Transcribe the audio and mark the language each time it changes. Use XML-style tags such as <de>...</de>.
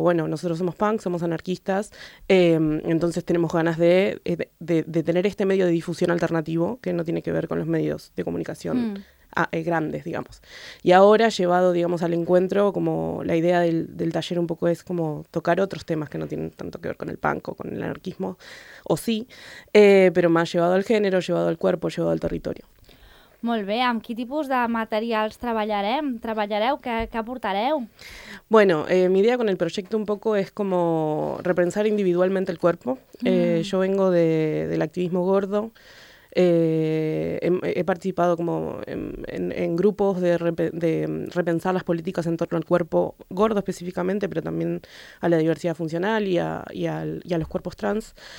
<es>Bueno, nosotros somos punk, somos anarquistas, entonces tenemos ganas de tener este medio de difusión alternativo que no tiene que ver con los medios de comunicación grandes, digamos. Y ahora, llevado, digamos, al encuentro, como la idea del taller un poco es como tocar otros temas que no tienen tanto que ver con el punk o con el anarquismo, o sí, pero más llevado al género, llevado al cuerpo, llevado al territorio.</es> <ca>Molt bé, amb quin tipus de materials treballarem? ¿Treballareu? ¿Qué aportareu?</ca> <es>Bueno, mi idea con el proyecto un poco es como repensar individualmente el cuerpo. Yo vengo del activismo gordo. He participado como en grupos de repensar las políticas en torno al cuerpo gordo específicamente, pero también a la diversidad funcional y a los cuerpos trans.</es>